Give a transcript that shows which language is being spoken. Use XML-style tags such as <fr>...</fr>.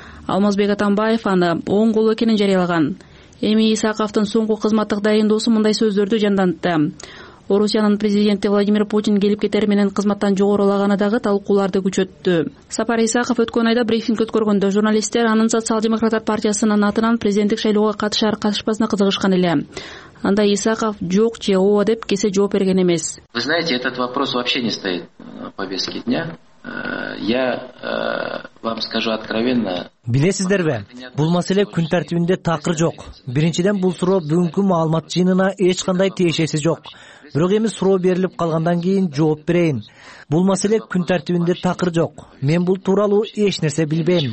<ky>Алмазбек Атамбаев аны оң кол экенин жарыялаган. Эми Исаковдун соңку кызматтык дайындоосу мындай сөздөрдү жанданты. Орусиянын президенти Владимир Путин келип кетери менен кызматтан жогорулаганы дагы талкууларды күчөттү. Сапар Исаков өткөн айда брифинг өткөргөндө журналисттер анын Социал демократтар партиясынын атынан президенттик шайлоого катышар катышпасына кызыгышкан эле. Анда Исаков жок же ооба деп кесе жооп берген эмес.</ky> <ru>Вы знаете, этот вопрос вообще не стоит повестке дня. Я вам скажу откровенно.</ru> <ky>Билесиздерби, бул маселе күн тартибинде такыр жок. Биринчиден бул суроо бүгүнкү маалымат жыйынына эч кандай тиешеси жок. Бирок эми суроо берилип калгандан кийин жооп берейин. Бул маселе күн тартибинде такыр жок. Мен бул тууралуу эч нерсе билбейм.</ky>